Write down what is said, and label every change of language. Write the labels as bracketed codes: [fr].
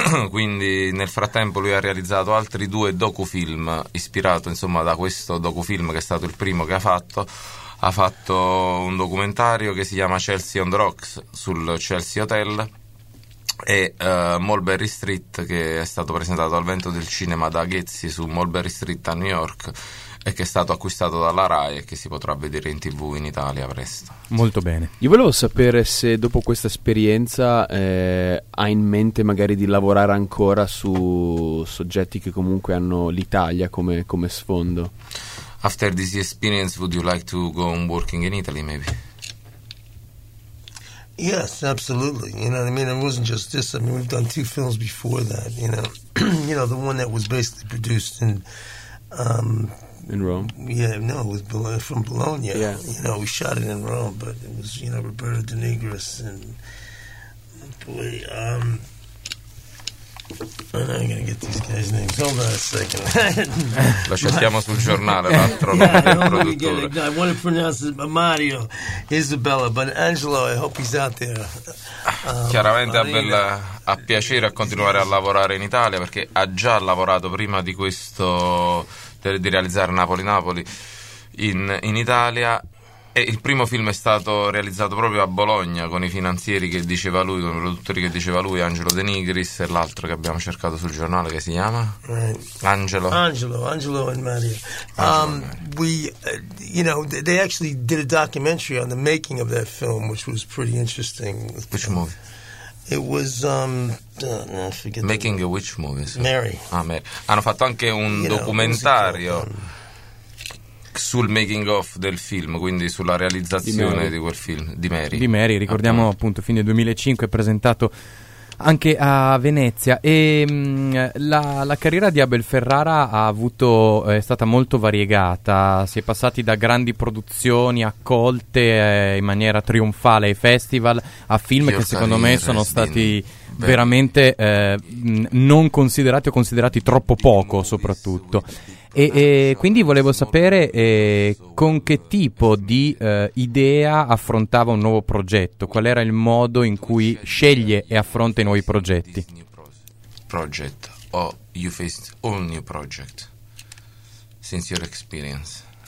[it] Quindi nel frattempo lui ha realizzato altri due docufilm ispirato insomma da questo docufilm che è stato il primo che ha fatto un documentario che si chiama Chelsea on the Rocks sul Chelsea Hotel e Mulberry Street, che è stato presentato al Vento del Cinema da Ghezzi su Mulberry Street a New York e che è stato acquistato dalla Rai e che si potrà vedere in TV in Italia presto. Molto bene. Io volevo sapere se dopo questa esperienza ha in mente magari di lavorare ancora su soggetti che comunque hanno l'Italia come sfondo. [en] After this experience, would you like to go on working in Italy maybe? Yes, absolutely. You know what I mean? It wasn't just this. I mean, we've done two films before that, you know. You know, the one that was basically produced in Rome? Yeah, no, it was from Bologna. Yeah. You know, we shot it in Rome, but it was, you know, Roberto De Negris and... Boy, I'm gonna get these guys' names. Hold on a second. [it] Lo cerchiamo sul giornale, l'altro produttore. [en] I want to pronounce it Mario Isabella, but Angelo, I hope he's out there. [it] Chiaramente ha piacere a continuare a lavorare in Italia, perché ha già lavorato prima di questo, di realizzare Napoli in Italia. E il primo film è stato realizzato proprio a Bologna con i finanzieri che diceva lui, con i produttori che diceva lui, Angelo De Nigris, e l'altro che abbiamo cercato sul giornale che si chiama [en] Angelo and Mario. They actually did a documentary on the making of that film, which was pretty interesting. Which movie? It was Which movie? So. Mary. Ah, Mary. [it] Hanno fatto anche un documentario sul making of del film, quindi sulla realizzazione di quel film di Mary, ricordiamo appunto fine 2005, presentato anche a Venezia. E la carriera di Abel Ferrara è stata molto variegata, si è passati da grandi produzioni accolte in maniera trionfale ai festival a film che secondo me sono stati veramente non considerati o considerati troppo poco soprattutto. E quindi volevo sapere con che tipo di idea affrontava un nuovo progetto, qual era il modo in cui sceglie e affronta i nuovi progetti. [en] Project, or you faced all new project since your experience?